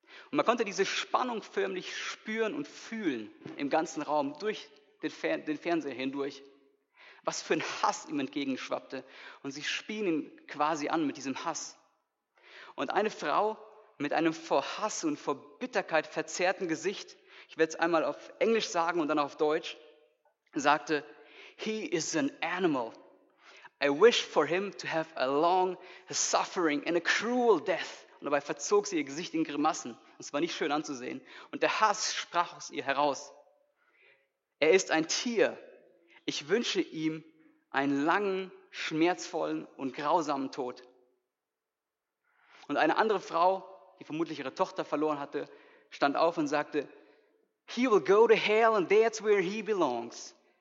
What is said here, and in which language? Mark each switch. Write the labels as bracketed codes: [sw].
[de] Und man konnte diese Spannung förmlich spüren und fühlen im ganzen Raum, durch den Fernseher hindurch, was für ein Hass ihm entgegenschwappte. Und sie spien ihn quasi an mit diesem Hass. Und eine Frau mit einem vor Hass und vor Bitterkeit verzerrten Gesicht, ich werde es einmal auf Englisch sagen und dann auf Deutsch, sagte, [en] he is an animal. I wished for him to have a long suffering and a cruel death. [de] Und dabei verzog sie ihr Gesicht in Grimassen. Es war nicht schön anzusehen. Und der Hass sprach aus ihr heraus. Er ist ein Tier. Ich wünsche ihm einen langen, schmerzvollen und grausamen Tod. Und eine andere Frau, die vermutlich ihre Tochter verloren hatte, stand auf und sagte, [en] He will go to hell and that's where he belongs.